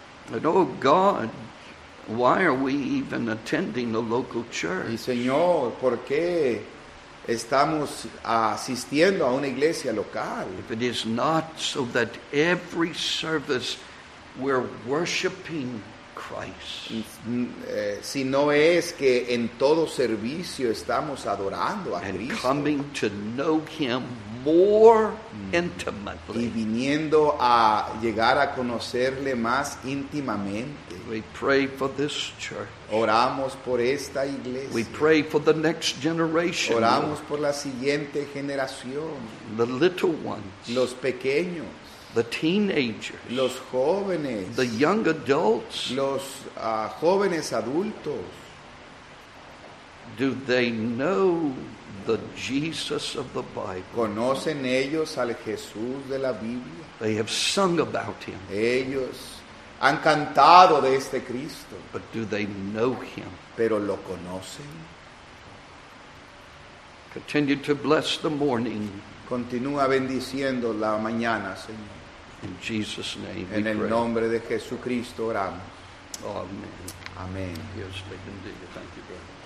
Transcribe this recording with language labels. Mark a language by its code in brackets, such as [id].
[en] But oh God, why are we even attending the local church? [es] Y Señor, ¿por qué estamos asistiendo a una iglesia local? [en] If it is not so that every service we're worshiping Christ. [es] Si no es que en todo servicio estamos adorando a [en] and [es] Cristo. [en] Coming to know him more intimately. [es] Y viniendo a llegar a conocerle más íntimamente. [en] We pray for this church. [es] Oramos por esta iglesia. [en] We pray for the next generation. [es] Oramos por la siguiente generación. [en] The little ones. [es] Los pequeños. [en] The teenagers, [es] los jóvenes, [en] the young adults, [es] los jóvenes adultos. [en] Do they know the Jesus of the Bible? [es] ¿Conocen ellos al Jesús de la Biblia? [en] They have sung about him. [es] Ellos han cantado de este Cristo. [en] But do they know him? [es] ¿Pero lo conocen? [en] Continue to bless the morning. [es] Continúa bendiciendo la mañana, Señor. [en] In Jesus' name, we pray. [es] En el nombre de Jesucristo oramos. [en] Amen. [es] Amen. [en] Yes, we can do it. Thank you, brother.